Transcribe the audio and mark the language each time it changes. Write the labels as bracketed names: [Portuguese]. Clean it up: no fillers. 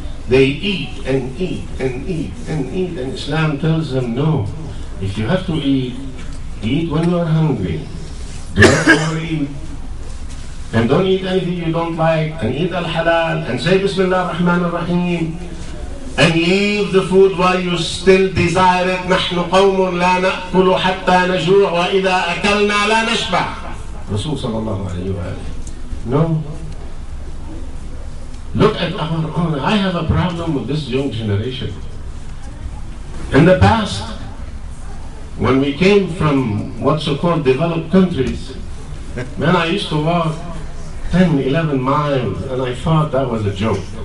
[English] They eat and eat and eat and eat, and Islam tells them, no. If you have to eat, eat when you are hungry. Do not worry. And don't eat anything you don't like, and eat al-halal, and say Bismillah ar-Rahman ar-Rahim, and leave the food while you still desire it. [Arabic] نَحْنُ قَوْمٌ لَا نَأْكُلُ حَتَّى نَجُوعُ وَإِذَا أَكَلْنَا لَا نَشْبَعُ Rasul sallallahu alayhi wa sallam. [English] No. Look at our own. I have a problem with this young generation. In the past, when we came from what's so-called developed countries, man, I used to walk 10, 11 miles, and I thought that was a joke.